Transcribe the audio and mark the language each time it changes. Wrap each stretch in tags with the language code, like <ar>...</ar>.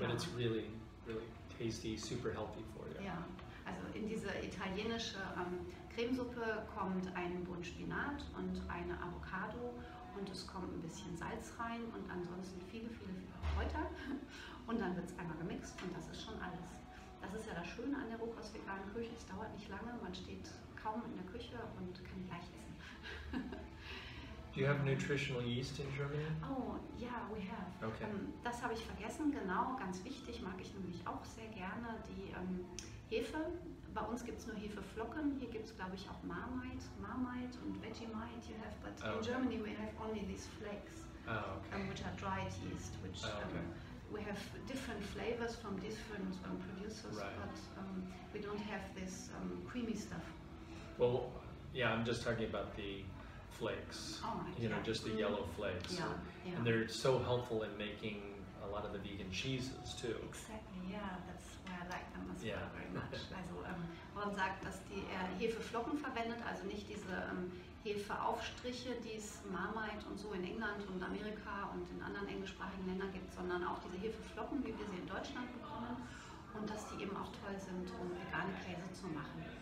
<en>But it's really, really tasty, super healthy for you. Yeah.</en> <de>Also in diese italienische Cremesuppe kommt ein Bund Spinat und eine Avocado und es kommt ein bisschen Salz rein und ansonsten viele, viele, viele Kräuter und dann wird es einmal gemixt und das ist schon alles. Das ist ja das Schöne an der rohkostveganen Küche, es dauert nicht lange, man steht kaum in der Küche und kann gleich essen.</de> <en>Do you have nutritional yeast in Germany? Oh, yeah, we have. Okay.</en> <de>Das habe ich vergessen, genau, ganz wichtig, mag ich nämlich auch sehr gerne, die Hefe. Bei uns gibt es nur Hefeflocken, hier gibt es glaube ich auch Marmite und Vegemite</de> <en>you have, but in Germany we have only these flakes, which are dried yeast, which we have different flavors from different producers, but we don't have this creamy stuff. Well, yeah, I'm just talking about the flakes, just the yellow flakes, and they're so helpful in making a lot of the vegan cheeses too. Exactly, yeah, that's why I like them as well very much.</en> <de>Also, man sagt, dass die Hefeflocken verwendet, also nicht diese Hefeaufstriche, die es Marmite und so in England und Amerika und in anderen englischsprachigen Ländern gibt, sondern auch diese Hefeflocken, wie wir sie in Deutschland bekommen, und dass die eben auch toll sind, um vegane Käse zu machen.</de>